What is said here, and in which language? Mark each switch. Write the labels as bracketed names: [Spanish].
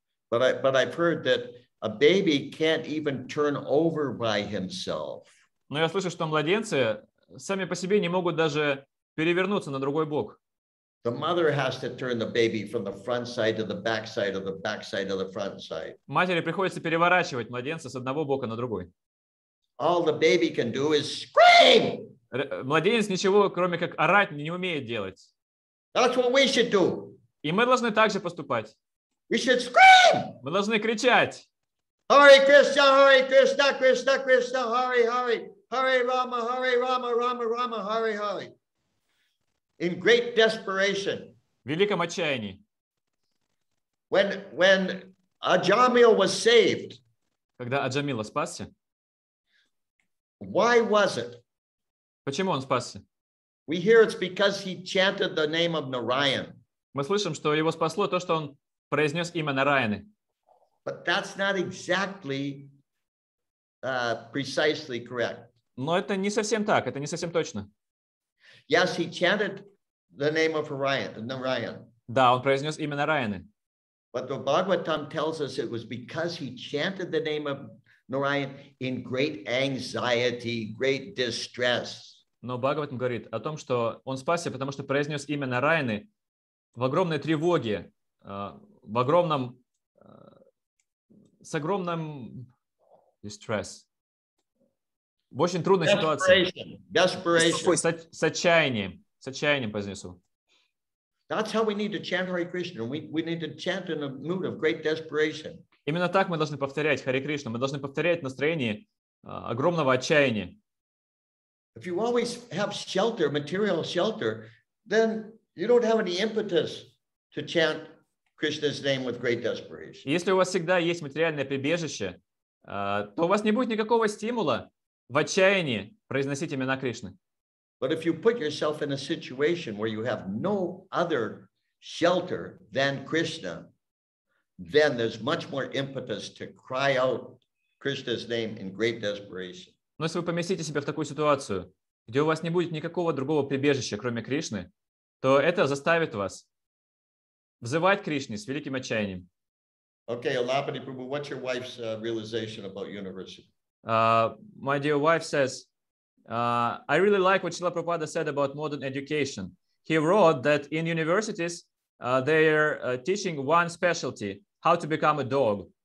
[English] But I've heard that a baby can't even turn over by himself. [Russian] Но я слышал, что младенцы сами по себе не могут даже перевернуться на другой бок. [English] The mother has to turn the baby from the front side to the back side, or the back side to the front side. [Russian] Матери приходится переворачивать младенца с одного бока на другой. [English] All the baby can do is scream. [Russian] Младенец ничего, кроме как орать, не умеет делать. [English] That's what we should do. [Russian] И мы должны также поступать. [English] We should scream. [Russian] Мы должны кричать. [Sanskrit] Hare Krishna, Hare Krishna, Krishna Krishna, Hare Hare, Hare Rama, Hare Rama, Rama Rama, Hare Hare. [English] In great desperation. [Russian] В великом отчаянии. [English] When Ajamila was saved. [Russian] Когда Аджамила спасся. [English] Why was it? [Russian] Почему он спасся? [English] We hear it's because he chanted the name of Narayan. [Russian] Мы слышим, что его спасло то, что он произнес имя Нараяны. [English] But that's not exactly precisely correct. [Russian] Но это не совсем так, это не совсем точно. [English] Yes, he chanted the name of Narayan. [Russian] Да, он произнес имя Нараяны. [English] But the Bhagavatam tells us it was because he chanted the name of Narayan in great anxiety, great distress. [Russian] Но Бхагаватам говорит о том, что он спасся, потому что произнес имя Нараяны в огромной тревоге, в огромном, с огромным distress, в очень трудной ситуации, с отчаянием, произнес. [English] That's how we need to chant Hare Krishna. We need to chant in a mood of great desperation. [Russian] Именно так мы должны повторять Харе Кришна. Мы должны повторять настроение огромного отчаяния. [English] If you always have shelter, material shelter, then you don't have any impetus to chant Krishna's name with great desperation. [Russian] Если у вас всегда есть материальное прибежище, то у вас не будет никакого стимула в отчаянии произносить имена Кришны. [English] But if you put yourself in a situation where you have no other shelter than Krishna, then there's much more impetus to cry out Krishna's name in great desperation. [Russian] Но если вы поместите себя в такую ситуацию, где у вас не будет никакого другого прибежища, кроме Кришны, то это заставит вас взывать Кришне с великим отчаянием. [English] Okay, Alapati Prabhu, what's your wife's realization about university? My dear wife says, I really like what Srila Prabhupada said about modern education. He wrote that in universities, they are teaching one specialty, how to become a dog.